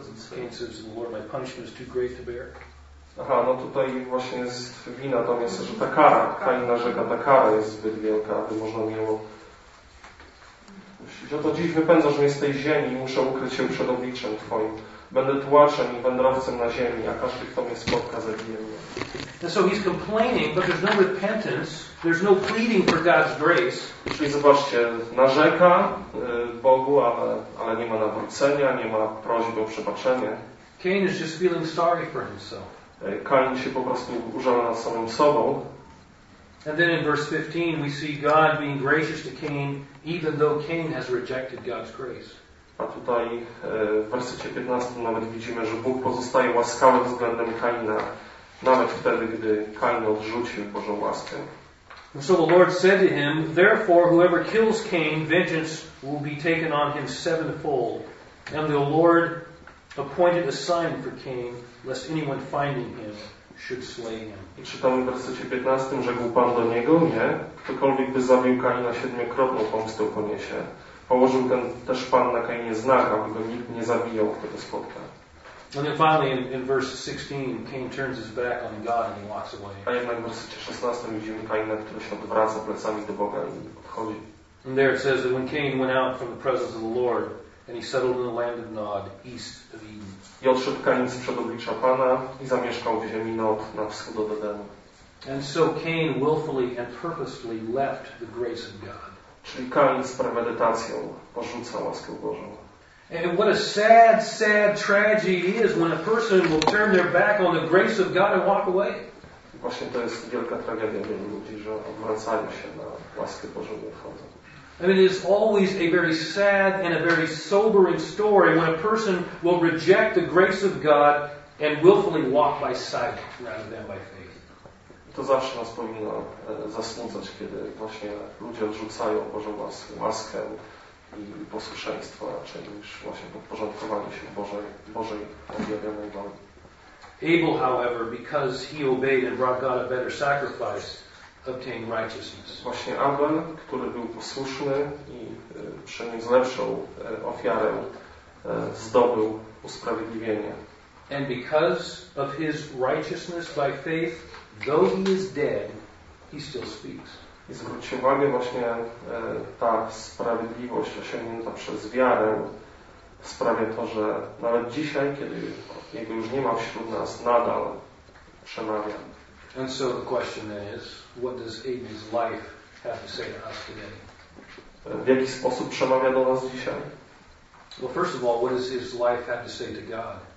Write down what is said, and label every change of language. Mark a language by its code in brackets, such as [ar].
[en] Cain says to the Lord, my punishment is too great to bear. [pl] Aha, no tutaj właśnie jest wina, to jest, że ta kara, Kaina rzeka, ta kara jest zbyt wielka, aby można miło. Oto dziś wypędzasz mnie z tej ziemi i muszę ukryć się przed obliczem Twoim. Będę tułaczem i wędrowcem na ziemi, a każdy, kto mnie spotka, zabije mnie. [en] And so he's complaining, but there's no repentance, there's no pleading for God's grace. [pl] Czyli zobaczcie, narzeka Bogu, ale nie ma nawrócenia, nie ma prośby o przebaczenie. [en] Cain is just feeling sorry for himself. [pl] Kain się po prostu użala nad samym sobą. [en] And then in verse 15 we see God being gracious to Cain even though Cain has rejected God's grace. [pl] A tutaj w wersecie 15 nawet widzimy, że Bóg pozostaje łaskawy względem Kaina, nawet wtedy, gdy Kain odrzucił Bożą łaskę. [en] And so the Lord said to him, therefore whoever kills Cain, vengeance will be taken on him sevenfold. And the Lord appointed a sign for Cain, lest anyone finding him should slay him. [pl] I czytamy w wersecie 15, rzekł Pan do niego, nie, ktokolwiek by zabił Kaina, siedmiokrotną pomstę poniesie. Położył ten też Pan na Kainie znak, aby go nikt nie zabijał, kto go spotka. [en] And then finally in verse 16, Cain turns his back on God and he walks away. [pl] A jednak w wersecie 16 widzimy Kaina, który się odwraca plecami do Boga i odchodzi. [en] And there it says that when Cain went out from the presence of the Lord, and he settled in the land of Nod, east of Eden. [pl] I odszedł Kain sprzed oblicza Pana i zamieszkał w ziemi Nod na wschód od Edenu. [en] And so Cain willfully and purposefully left the grace of God. [pl] Czyli Kain z premedytacją porzuca łaskę Bożą. [en] And what a sad, sad tragedy is when a person will turn their back on the grace of God and walk away. [pl] Właśnie to jest wielka tragedia wielu ludzi, że odwracają się na łaskę Bożą i odchodzą. [en] I mean, it is always a very sad and a very sobering story when a person will reject the grace of God and willfully walk by sight rather than by faith. [pl] To zawsze nas powinno zasmucać, kiedy właśnie ludzie odrzucają Bożą łaskę i posłuszeństwo raczej niż właśnie podporządkowanie się Bożej objawionej woli. [en] Abel, however, because he obeyed and brought God a better sacrifice, obtain righteousness. [pl] Właśnie Abel, który był posłuszny i przyniósł lepszą ofiarę, zdobył usprawiedliwienie. [en] And because of his righteousness by faith, though he is dead, he still speaks. [pl] I zwróćcie uwagę, właśnie ta sprawiedliwość osiągnięta przez wiarę sprawia to, że nawet dzisiaj, kiedy jego już nie ma wśród nas, nadal przemawia. [en] And so the question then is, what does Abel's life have to say to us today? [pl] W jaki sposób przemawia do nas dzisiaj? [en] Well, first of all, what does his life have to say to God?